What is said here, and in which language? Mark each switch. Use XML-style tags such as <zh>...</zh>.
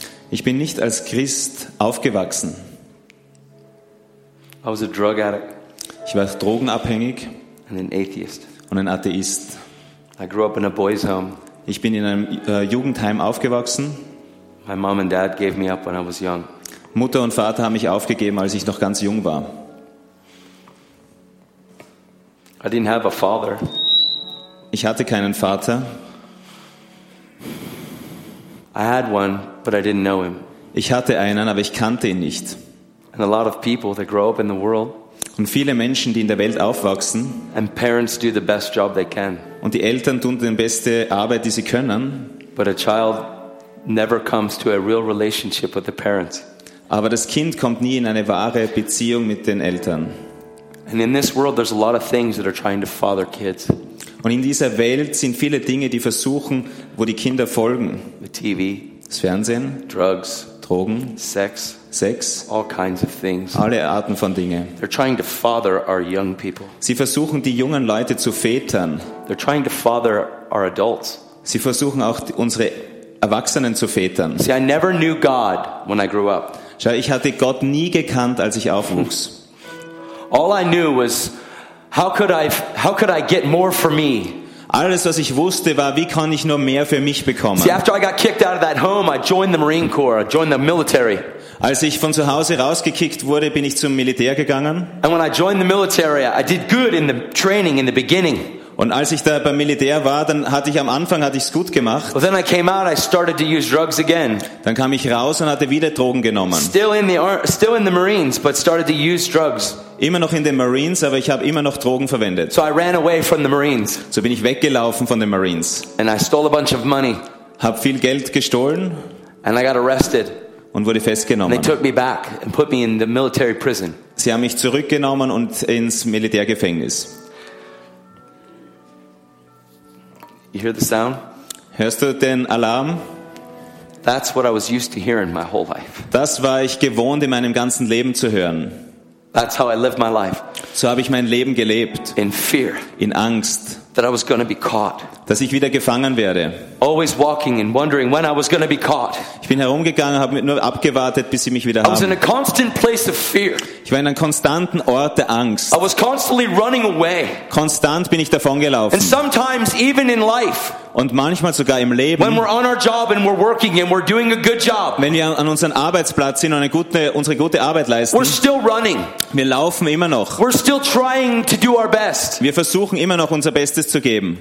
<de>Ich bin nicht als Christ aufgewachsen.</de> <en>I was a drug addict.</en> <de>Ich war drogenabhängig.</de> <en>And an atheist.</en> <de>Und ein Atheist.</de> <en>I grew up in a boys' home.</en> <de>Ich bin in einem Jugendheim aufgewachsen.</de> <en>My mom and dad gave me up when I was young.</en> <de>Mutter und Vater haben mich aufgegeben, als ich noch ganz jung war.</de> <en>I didn't have a father.</en> <de>Ich hatte keinen Vater.</de> <en>I had one, but I didn't know him.</en> <de>Ich hatte einen, aber ich kannte ihn nicht.</de> <en>And a lot of people that grow up in the world.</en> <de>Und viele Menschen, die in der Welt aufwachsen.</de> <en>And parents do the best job they can.</en> <de>Und die Eltern tun die beste Arbeit, die sie können.</de> <en>But a child never comes to a real relationship with the parents.</en> <de>Aber das Kind kommt nie in eine wahre Beziehung mit den Eltern.</de> <en>And in this world, there's a lot of things that are trying to father kids.</en> <de>Und in dieser Welt sind viele Dinge, die versuchen, wo die Kinder folgen.</de> <en>The TV,</en> <de>das Fernsehen,</de> <en>Drugs,</en> <de>Drogen,</de> <en>Sex, all kinds of things.</en> <de>Alle Arten von Dingen.</de> <en>They're trying to father our young people.</en> <de>Sie versuchen, die jungen Leute zu vätern.</de> <en>They're trying to father our adults.</en> <de>Sie versuchen auch, unsere Erwachsenen zu vätern.</de> <en>See, I never knew God when I grew up.</en> <de>Schau, ich hatte Gott nie gekannt, als ich aufwuchs.</de> <en>All I knew was, How could I get more for me?</en> <de>Alles, was ich wusste, war, wie kann ich nur mehr für mich bekommen?</de> <en>See, after I got kicked out of that home, I joined the Marine Corps. I joined the military.</en> <de>Als ich von zu Hause rausgekickt wurde, bin ich zum Militär gegangen.</de> <en>And when I joined the military, I did good in the training in the beginning.</en> <de>Und als ich da beim Militär war, dann hatte ich es gut gemacht.</de> <en>But then I came out, I started to use drugs again.</en> <de>Dann kam ich raus und hatte wieder Drogen genommen.</de> <en>Still in the Marines, but started to use drugs.</en> <de>Immer noch in den Marines, aber ich habe immer noch Drogen verwendet.</de> <en>So I ran away from the Marines.</en> <de>So bin ich weggelaufen von den Marines.</de> <en>And I stole a bunch of money.</en> <de>Hab viel Geld gestohlen.</de> <en>And I got arrested.</en> <de>Und wurde festgenommen.</de> <en>And they took me back and put me in the military prison.</en> <de>Sie haben mich zurückgenommen und ins Militärgefängnis.</de> <en>You hear the sound?</en> <de>Hörst du den Alarm?</de> <en>That's what I was used to hearing my whole life.</en> <de>Das war ich gewohnt in meinem ganzen Leben zu hören.</de> <en>That's how I lived my life.</en> <de>So habe ich mein Leben gelebt.</de> <en>In fear.</en> <de>In Angst.</de> <en>That I was going to be caught.</en> <de>Dass ich wieder gefangen werde.</de> <en>Always walking and wondering when I was going to be caught.</en> <de>Ich bin herumgegangen, habe nur abgewartet, bis sie mich wieder haben.</de> <en>I was in a constant place of fear.</en> <de>Ich war in einem konstanten Ort der Angst.</de> <en>I was constantly running away.</en> <de>Konstant bin ich davongelaufen.</de> <en>And sometimes even in life.</en> <de>Und manchmal sogar im Leben.</de> <en>When we're on our job and we're working and we're doing a good job.</en> <de>Wenn wir an unserem Arbeitsplatz sind und unsere gute Arbeit leisten.</de> <en>We're still running.</en> <de>Wir laufen immer noch.</de> <en>We're still trying to do our best.</en> <de>Wir versuchen immer noch unser Bestes zu geben.</de>